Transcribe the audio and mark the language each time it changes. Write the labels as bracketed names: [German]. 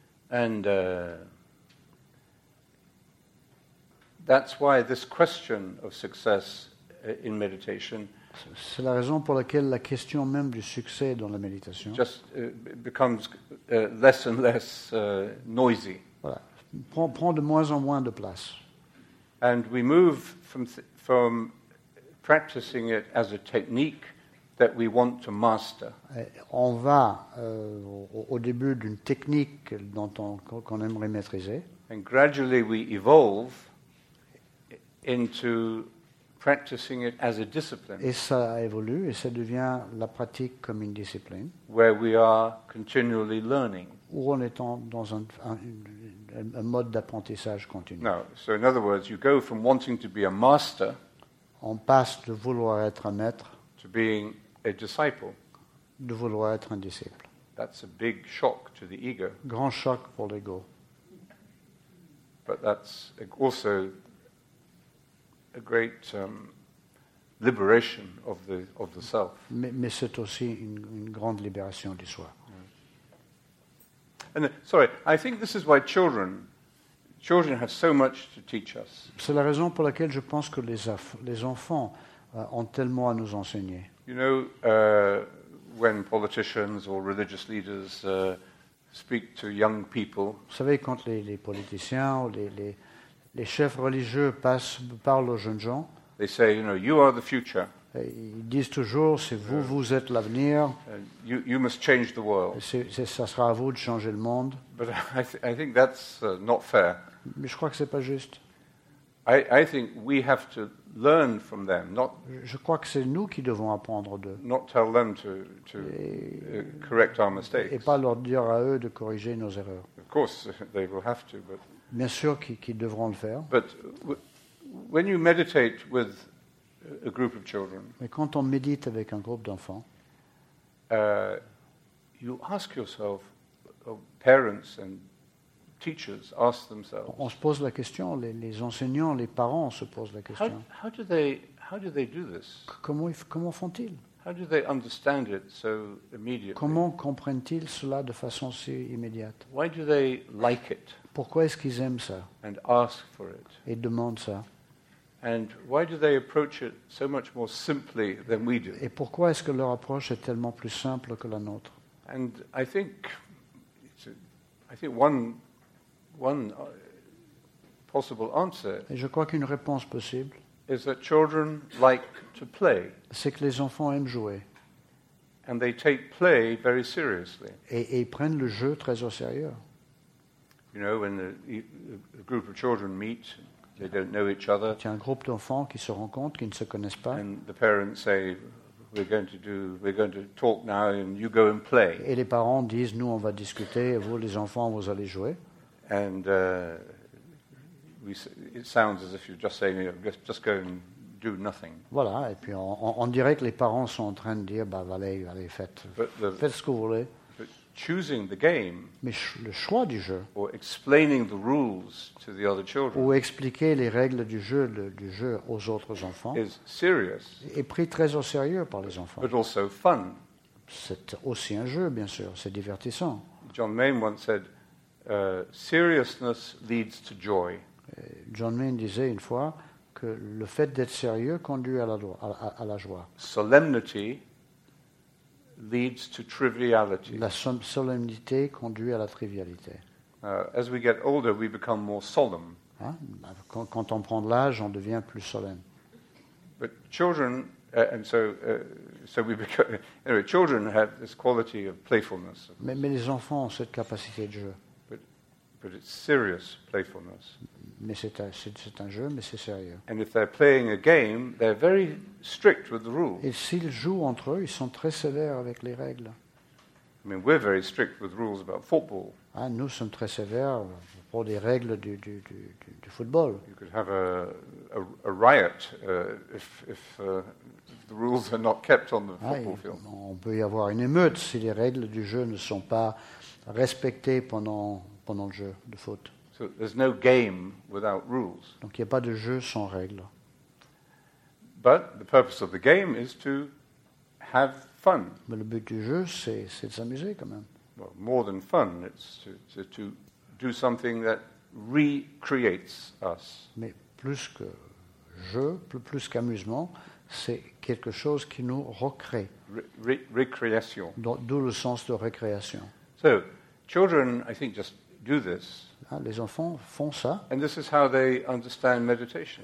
[English] And that's why this question of success in meditation. [French] C'est la raison pour laquelle la question même du succès dans la méditation [English] just becomes less and less noisy. [French] Voilà. Prend de moins en moins de place. [English] And we move from practicing it as a technique that we want to master. [French] On va au début d'une technique qu'on aimerait maîtriser. [English] And gradually we evolve into practicing it as a discipline. [French] Et ça évolue et ça devient la pratique comme une discipline. [English] Where we are continually learning. [French] Où on est dans un mode d'apprentissage continu. [English] Now, so in other words, you go from wanting to be a master. [French] On passe de vouloir être un maître. [English] To being a disciple. [French] De vouloir être un disciple. [English] That's a big shock to the ego. [French] Grand choc pour l'ego. [English] But that's also a great liberation of the self. [French] Mais c'est aussi une grande libération du soi. [English] And I think this is why children have so much to teach us. [French] C'est la raison pour laquelle je pense que les enfants ont tellement à nous enseigner. [English] You know, when politicians or religious leaders speak to young people. [French] Vous savez quand les politiciens ou les chefs religieux parlent aux jeunes gens. [English] They say, you know, you are the future. [French] Ils disent toujours, c'est vous, vous êtes l'avenir. [English] You must change the world. [French] Ça sera à vous de changer le monde. [English] But I think that's not fair. [French] Mais je crois que c'est pas juste. [English] I think we have to learn from them. Not. [French] Je crois que c'est nous qui devons apprendre d'eux. [English] Not tell them to correct our mistakes. [French] Et pas leur dire à eux de corriger nos erreurs. [English] Of course, they will have to, but. [French] Bien sûr qu'ils devront le faire. [English] But when you meditate with a group of children, [French] mais quand on médite avec un groupe d'enfants, [English] you ask yourself, parents and teachers ask themselves. [French] On se pose la question. Les enseignants, les parents se posent la question. [English] How do they do this? [French] Comment font-ils? [English] How do they understand it so immediately? [French] Comment comprennent-ils cela de façon si immédiate? [English] Why do they like it? [French] Pourquoi est-ce qu'ils aiment ça? [English] And ask for it. [French] Et demandent ça. [English] And why do they approach it so much more simply than we do? [French] Et pourquoi est-ce que leur approche est tellement plus simple que la nôtre? [English] And I think one possible answer. [French] Et je crois qu'une réponse possible [English] is that children like to play. [French] C'est que les enfants aiment jouer. [English] And they take play very seriously. [French] Et ils prennent le jeu très au sérieux. [English] You know, when a group of children meet, they don't know each other. [French] Il y a un groupe d'enfants qui se rencontrent, qui ne se connaissent pas. [English] And the parents say, we're going to talk now, and you go and play. [French] Et les parents disent, nous on va discuter, et vous les enfants vous allez jouer. [English] And it sounds as if you're just saying, just go and do nothing. [French] Voilà, et puis on dirait que les parents sont en train de dire, allez, faites ce que vous voulez. [English] Choosing the game, [French] mais le choix du jeu, [English] or explaining the rules to the other children, [French] ou expliquer les règles du jeu aux autres enfants, [English] is serious, [French] est pris très au sérieux par les enfants, [English] but also fun, [French] C'est aussi un jeu, bien sûr, c'est divertissant. [English] John Maine once said, seriousness leads to joy. [French] John Maine disait une fois que le fait d'être sérieux conduit à la joie. [English] Solemnity leads to triviality. [French] La solennité conduit à la trivialité. [English] As we get older, we become more solemn. [French] Hein? Quand on prend de l'âge, on devient plus solemne. [English] But children, and so we become, children have this quality of playfulness. [French] Mais les enfants ont cette capacité de jeu. [English] But it's serious playfulness. [French] Mais c'est un jeu, mais c'est sérieux. [English] And if they're playing a game, they're very strict with the rules. [French] Et s'ils jouent entre eux, ils sont très sévères avec les règles. [English] I mean, we're very strict with rules about football. [French] Ah, nous sommes très sévères pour des règles du football. [English] You could have a riot if the rules are not kept on the football field. [French] On peut y avoir une émeute si les règles du jeu ne sont pas respectées pendant le jeu de foot. [English] So there's no game without rules. [French] Donc il n'y a pas de jeu sans règles. [English] But the purpose of the game is to have fun. [French] Mais le but du jeu, c'est de s'amuser quand même. [English] Well, more than fun, it's to do something that recreates us. [French] Mais plus que jeu, plus qu'amusement, c'est quelque chose qui nous recrée. [English] Recreation. [French] D'où le sens de récréation. [English] So, children, I think, just do this. [French] Les enfants font ça. [English] And this is how they understand meditation.